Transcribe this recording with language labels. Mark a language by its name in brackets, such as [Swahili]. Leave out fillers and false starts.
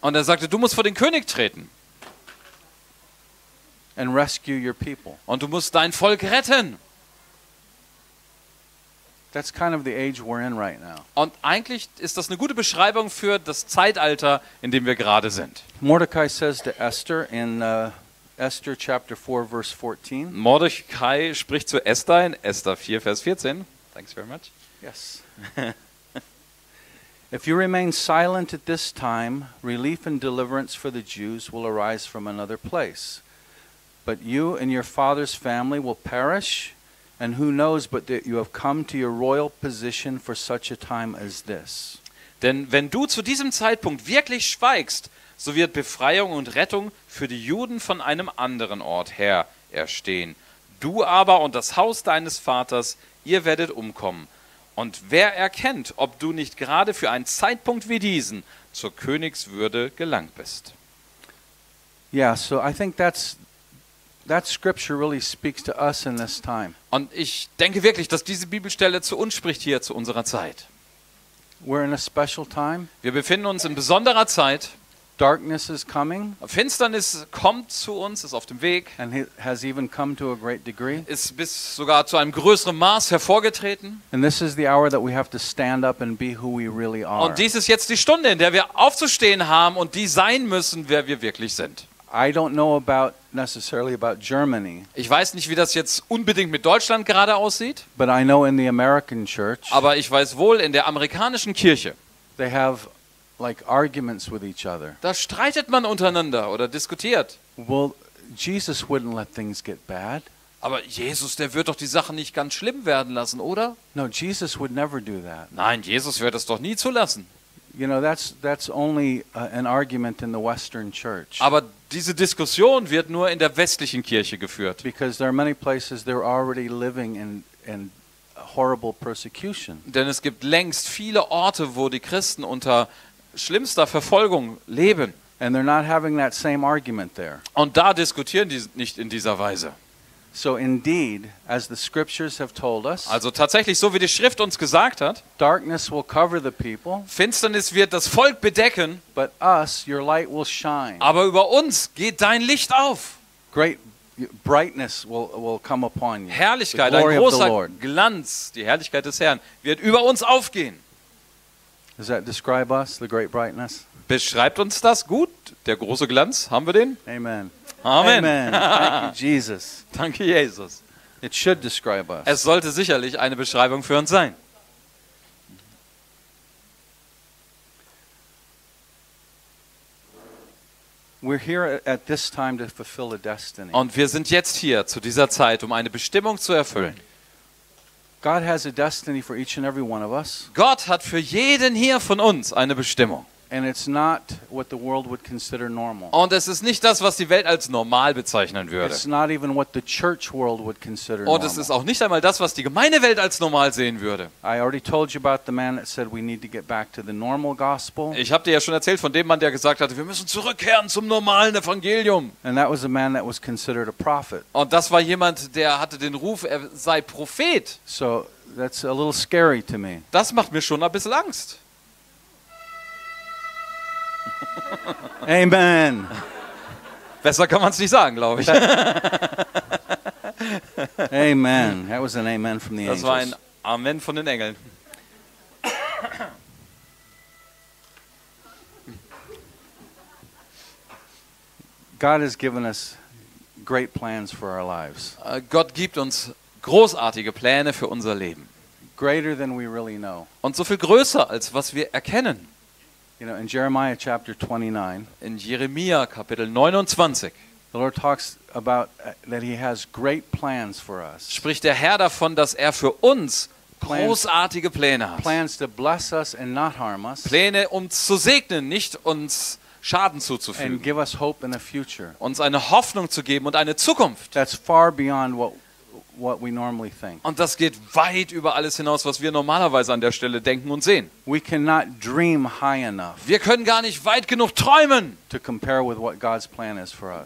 [German] Und er sagte, du musst vor den König treten. [English] And rescue your people. [German] Und du musst dein Volk retten. [English] That's kind of the age we're in right now. [German] Und eigentlich ist das eine gute Beschreibung für das Zeitalter, in dem wir gerade sind. [English] Mordecai says to Esther in Esther chapter 4 verse 14. [German] Mordecai spricht zu Esther in Esther 4 Vers 14. [English] Thanks very much. Yes. If you remain silent at this time, relief and deliverance for the Jews will arise from another place. But you and your father's family will perish. And who knows but that you have come to your royal position for such a time as this. [German] Denn wenn du zu diesem Zeitpunkt wirklich schweigst, so wird Befreiung und Rettung für die Juden von einem anderen Ort her erstehen. Du aber und das Haus deines Vaters, ihr werdet umkommen. Und wer erkennt, ob du nicht gerade für einen Zeitpunkt wie diesen zur Königswürde gelangt bist. [English] Yeah, so I think that scripture really speaks to us in this time. [German] Und ich denke wirklich, dass diese Bibelstelle zu uns spricht hier zu unserer Zeit. [English] We're in a special time. [German] Wir befinden uns in besonderer Zeit. [English] Darkness is coming. [German] Finsternis kommt zu uns, ist auf dem Weg. [English] And it has even come to a great degree. [German] Ist bis sogar zu einem größeren Maß hervorgetreten. [English] And this is the hour that we have to stand up and be who we really are. [German] Und dies ist jetzt die Stunde, in der wir aufzustehen haben und die sein müssen, wer wir wirklich sind. [English] I don't know about necessarily about Germany. [German] Ich weiß nicht, wie das jetzt unbedingt mit Deutschland gerade aussieht. [English] But I know in the American church. [German] Aber ich weiß wohl in der amerikanischen Kirche. [English] They have like arguments with each other. [German] Da streitet man untereinander oder diskutiert. [English] Well, Jesus wouldn't let things get bad. [German] Aber Jesus, der wird doch die Sachen nicht ganz schlimm werden lassen, oder? [English] No, Jesus would never do that. [German] Nein, Jesus wird das doch nie zulassen. [English] You know, that's only an argument in the Western church. [German] Aber diese Diskussion wird nur in der westlichen Kirche geführt. [English] Because there are many places they're already living in horrible persecution. [German] Denn es gibt längst viele Orte, wo die Christen unter schlimmster Verfolgung leben. [English] And they're not having that same argument there. [German] Und da diskutieren die nicht in dieser Weise. [English] So indeed, as the scriptures have told us, [German] also tatsächlich so wie die Schrift uns gesagt hat, [English] darkness will cover the people, [German] Finsternis wird das Volk bedecken, [English] but us, your light will shine. [German] Aber über uns geht dein Licht auf. [English] Great brightness will come upon you. [German] Herrlichkeit, ein großer Glanz, die Herrlichkeit des Herrn wird über uns aufgehen. [English] Does that describe us, the great brightness? [German] Beschreibt uns das gut, der große Glanz, haben wir den? Amen. Amen. [English] Amen. Thank you, Jesus. [German] Danke, Jesus. [English] It should describe us. [German] Es sollte sicherlich eine Beschreibung für uns sein. [English] We're here at this time to fulfill a destiny. [German] Und wir sind jetzt hier zu dieser Zeit, um eine Bestimmung zu erfüllen. [English] God has a destiny for each and every one of us. [German] Gott hat für jeden hier von uns eine Bestimmung. [English] And it's not what the world would consider normal. [German] Und es ist nicht das, was die Welt als normal bezeichnen würde. [English] It's not even what the church world would consider [German] normal. Und es ist auch nicht einmal das, was die Gemeindewelt als normal sehen würde. [English] I already told you about the man that said we need to get back to the normal gospel. [German] Ich habe dir ja schon erzählt von dem Mann, der gesagt hatte, wir müssen zurückkehren zum normalen Evangelium. [English] And that was a man that was considered a prophet. [German] Und das war jemand, der hatte den Ruf, er sei Prophet. [English] So that's a little scary to me. [German] Das macht mir schon ein bisschen Angst. Amen. Besser kann man es nicht sagen, glaube ich. [English] Amen. That was an amen from the angels. [German] Das war ein Amen von den Engeln. [English] God has given us great plans for our lives. [German] Gott gibt uns großartige Pläne für unser Leben. [English] Greater than we really know. [German] Und so viel größer als was wir erkennen. [English] You know, in Jeremiah chapter 29, [German] in Jeremia Kapitel 29, [English] the Lord talks about that he has great plans for us. [German] Spricht der Herr davon, dass er für uns großartige Pläne hat. [English] Plans to bless us and not harm us. [German] Pläne, um zu segnen, nicht uns Schaden zuzufügen. [English] And give us hope in the future. [German] Uns eine Hoffnung zu geben und eine Zukunft. [English] That's far beyond what we normally think. [German] Und das geht weit über alles hinaus, was wir normalerweise an der Stelle denken und sehen. [English] We cannot dream high enough. [German] Wir können gar nicht weit genug träumen, [English] to compare with what God's plan is for us.